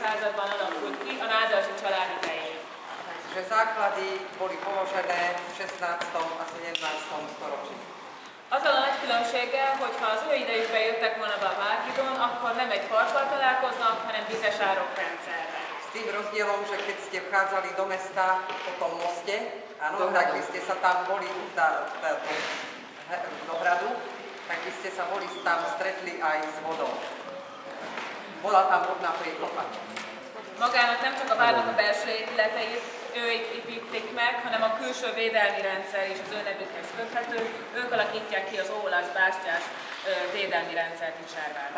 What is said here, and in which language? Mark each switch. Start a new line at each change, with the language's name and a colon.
Hungarian: Században alakult ki a Nádasdy család idején.
Slovak: Že základy boli položené v 16. a 17. storočí.
Hungarian: Azzal a nagy különbséggel, hogyha az ő idejükben jöttek volna be a Várhídon, akkor nem egy parkkal találkoznak, hanem vizes árok rendszerben.
Slovak: S tým rozdielom, že keď ste vchádzali do mesta po tom moste, áno, tak by ste sa tam boli do hradu, tak by ste sa boli tam stretli aj s vodou. Bola tam vodná príklopa.
Hungarian: Magának nem csak a várnak a belső épületeit, ők építik meg, hanem a külső védelmi rendszer is az ő nevükhez köthető. Ők alakítják ki az ólás, bástyás védelmi rendszert is Sárvárnak.